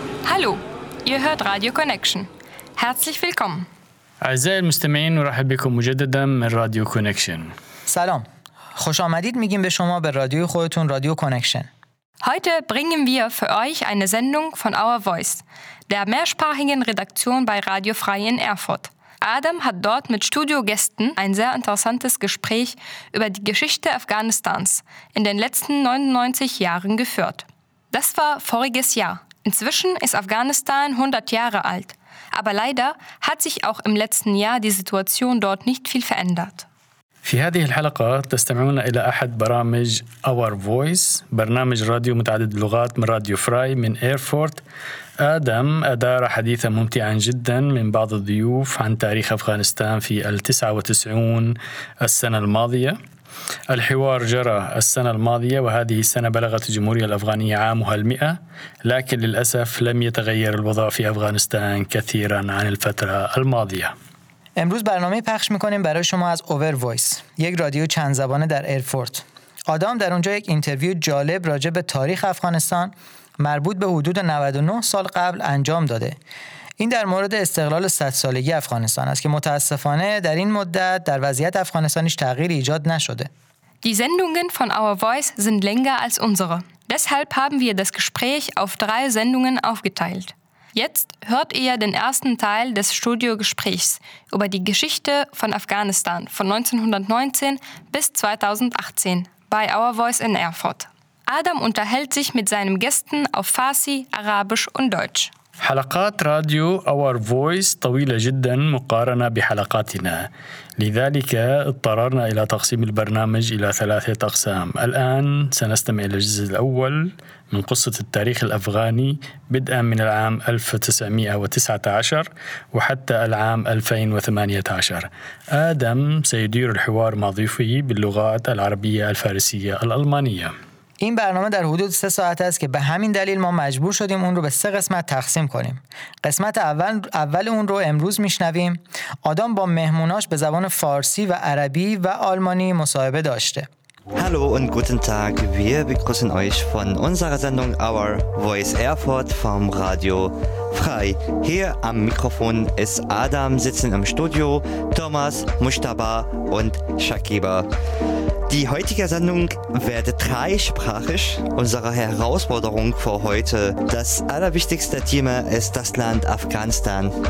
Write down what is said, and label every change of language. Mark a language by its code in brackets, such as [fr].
[de] Hallo, ihr hört Radio Connection. Herzlich willkommen. [ar] أعزائي المستمعين نرحب بكم مجددا من راديو كونكشن [fa] سلام خوش آمدید میگیم به شما به رادیوی خودتون راديو كونكشن [de] Heute bringen wir für euch eine Sendung von Our Voice, der mehrsprachigen Redaktion bei Radio Frei in Erfurt. Adam hat dort mit Studiogästen ein sehr interessantes Gespräch über die Geschichte Afghanistans in den letzten 99 Jahren geführt. Das war voriges Jahr. Inzwischen ist Afghanistan 100 Jahre alt. Aber leider hat sich auch im letzten Jahr die Situation dort nicht viel verändert. [ar] في هذه الحلقة تستمعون إلى أحد برامج Our Voice، برنامج راديو متعدد اللغات من راديو فراي من إيرفورت. آدم أدار حديثا ممتعا جدا من بعض الضيوف عن تاريخ أفغانستان في 99 السنة الماضية. الحوار جرى السنة الماضية وهذه السنة بلغت الجمهورية الأفغانية عامها 100، لكن للأسف لم يتغير الوضع في أفغانستان كثيرا عن الفترة الماضية. [fa] امروز برنامه پخش میکنیم برای شما از Our Voice، یک رادیو چند زبانه در ایرفورت. آدام در اونجا یک اینترویو جالب راجع به تاریخ افغانستان مربوط به حدود 99 سال قبل انجام داده. این در مورد استقلال 100 سالگی افغانستان است که متاسفانه در این مدت در وضعیت افغانستانیش تغییر ایجاد نشده. [de] Die Sendungen von Our Voice sind länger als unsere. Deshalb haben wir das Gespräch auf 3 Sendungen aufgeteilt. Jetzt hört ihr den ersten Teil des Studiogesprächs über die Geschichte von Afghanistan von 1919 bis 2018 bei Our Voice in Erfurt. Adam unterhält sich mit seinen Gästen auf Farsi, Arabisch und Deutsch. [ar] حلقات راديو Our Voice طويلة جدا مقارنة بحلقاتنا لذلك اضطررنا إلى تقسيم البرنامج إلى 3 أقسام الآن سنستمع إلى الجزء الأول من قصة التاريخ الأفغاني بدءا من العام 1919 وحتى العام 2018 آدم سيدير الحوار مع ضيفه باللغات العربية الفارسية الألمانية [fa] این برنامه در حدود 3 ساعت است که به همین دلیل ما مجبور شدیم اون رو به 3 قسمت تقسیم کنیم. قسمت اول اون رو امروز میشنویم. آدام با مهموناش به زبان فارسی و عربی و آلمانی مصاحبه داشته. [de] Hallo und guten Tag. Wir begrüßen euch von unserer Sendung Our Voice Erfurt vom Radio Frei. Hier am Mikrofon ist Adam, sitzen im Studio Thomas, Mustafa und Shakiba. Die heutige Sendung werde dreisprachig. Unsere Herausforderung für heute, das allerwichtigste Thema ist das Land Afghanistan.